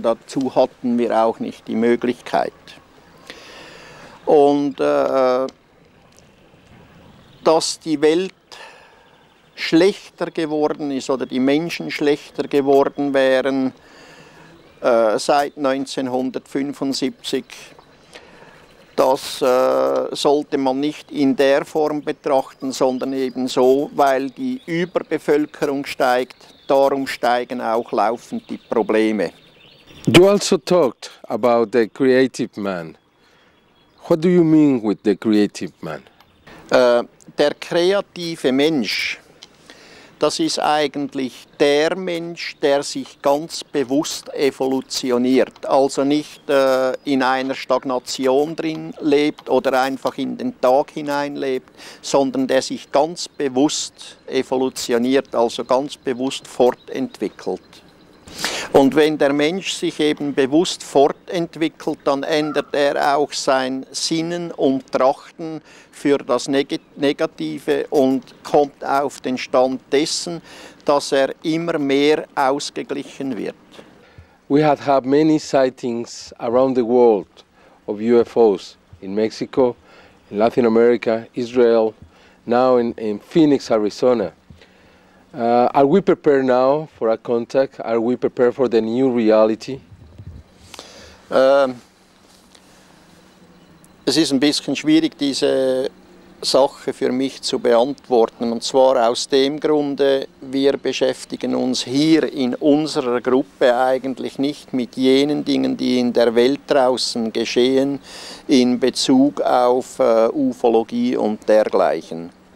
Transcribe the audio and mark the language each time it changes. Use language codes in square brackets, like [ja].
[de] Dazu hatten wir auch nicht die Möglichkeit. Und dass die Welt schlechter geworden ist oder die Menschen schlechter geworden wären seit 1975, das sollte man nicht in der Form betrachten, sondern eben so, weil die Überbevölkerung steigt, darum steigen auch laufend die Probleme. [en] You also talked about the creative man. What do you mean with the creative man? [de] Der kreative Mensch, das ist eigentlich der Mensch, der sich ganz bewusst evolutioniert. Also nicht in einer Stagnation drin lebt oder einfach in den Tag hinein lebt, sondern der sich ganz bewusst evolutioniert, also ganz bewusst fortentwickelt. Und wenn der Mensch sich eben bewusst fortentwickelt, dann ändert er auch sein Sinnen und Trachten für das Negative und kommt auf den Stand dessen, dass er immer mehr ausgeglichen wird. [en] We have had many sightings around the world of UFOs in Mexico, in Latin America, Israel, now in Phoenix, Arizona. Are we prepared now for a contact? Are we prepared for the new reality? [de] Es ist ein bisschen schwierig, diese Sache für mich zu beantworten. Und zwar aus dem Grunde, wir beschäftigen uns hier in unserer Gruppe eigentlich nicht mit jenen Dingen, die in der Welt draußen geschehen, in Bezug auf Ufologie und dergleichen.